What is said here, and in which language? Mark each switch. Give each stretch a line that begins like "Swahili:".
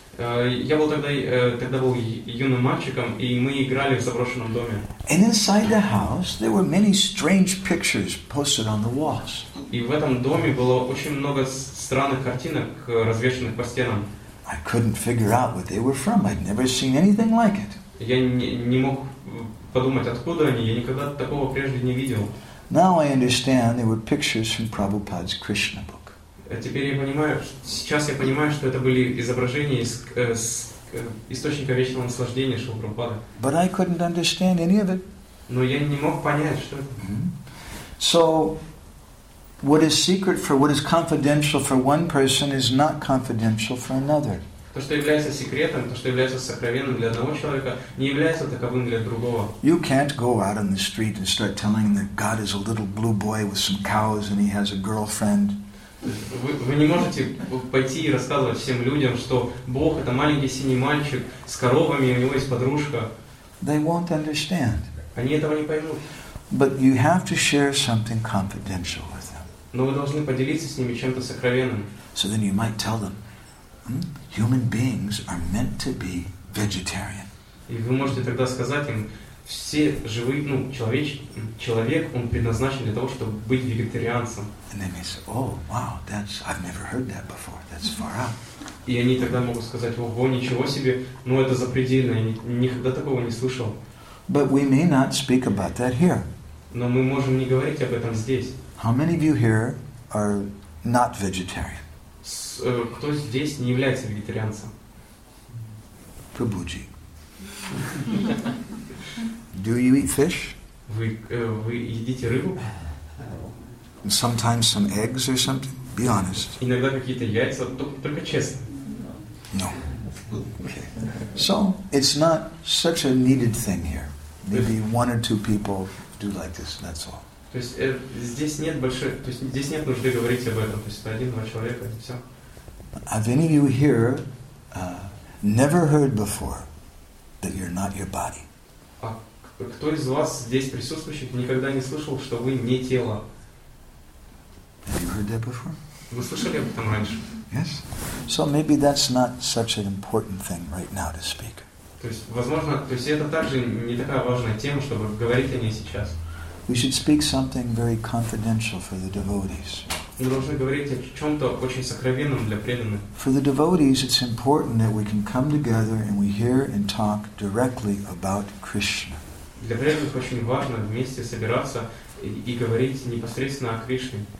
Russian: Я был тогда был юным мальчиком, и мы играли в заброшенном доме.
English: And inside the house there were many strange pictures posted on the walls.
Russian: И в этом доме было очень много странных картинок, развешанных по стенам.
English: I couldn't figure out what they were from. I'd never seen anything like it.
Russian: Я не мог подумать, откуда они. Я никогда такого прежде не видел.
English: Now I understand they were pictures from Prabhupada's Krishna book.
Russian: Теперь я понимаю, сейчас я понимаю, что это были изображения из источника вечного наслаждения Шрилы Прабхупады.
English: But I couldn't understand any of it.
Russian: Но я не мог понять, что это. Mm-hmm.
English: So, what is secret for, what is confidential for one person is not confidential for another.
Russian: То, что является секретом, то, что является сокровенным для одного человека, не является таковым для другого.
English: You can't go out on the street and start telling that God is a little blue boy with some cows and he has a girlfriend.
Russian: Вы не можете пойти и рассказывать всем людям, что Бог — это маленький синий мальчик с коровами, и у него есть подружка.
English: They won't understand.
Russian: Они этого не поймут.
English: But you have to share something confidential with them.
Russian: Но вы должны поделиться с ними чем-то сокровенным.
English: So then you might tell them, human beings are meant to be vegetarian.
Russian: И вы можете тогда сказать им, все живые, ну, человек, он предназначен для того, чтобы быть вегетарианцем.
English: And then they say, oh, wow, that's, I've never heard that before, that's far out.
Russian: И они тогда могут сказать, ого, ничего себе, ну это запредельно, я никогда такого не слышал.
English: But we may not speak about that here.
Russian: Но мы можем не говорить об этом здесь.
English: How many of you here are not vegetarian?
Russian: Кто здесь не является вегетарианцем? Прабуджи.
English: Do you eat fish?
Russian: Вы едите рыбу?
English: And sometimes some eggs or something? Be honest.
Russian: Иногда какие-то яйца, только честно.
English: No. Okay. So, it's not such a needed thing here. Maybe one or two people do like this, and that's all.
Russian: То есть здесь нет большой, то есть здесь нет нужды говорить об этом. То есть один-два человека, и все.
English: Have any of you here never heard before that you're not your body?
Russian: Кто из вас здесь присутствующих никогда не слышал, что вы не тело?
English: Have you heard that before?
Russian: Вы слышали об этом раньше?
English: Yes. So maybe that's not such an important thing right now to speak.
Russian: То есть, возможно, то есть это также не такая важная тема, чтобы говорить о ней сейчас.
English: We should speak something very confidential for the devotees.
Russian: Мы должны говорить о чем-то очень сокровенном для преданных.
English: For the devotees, it's important that we can come together and we hear and talk directly about Krishna.
Russian: Для преданных очень важно вместе собираться и говорить непосредственно о Кришне.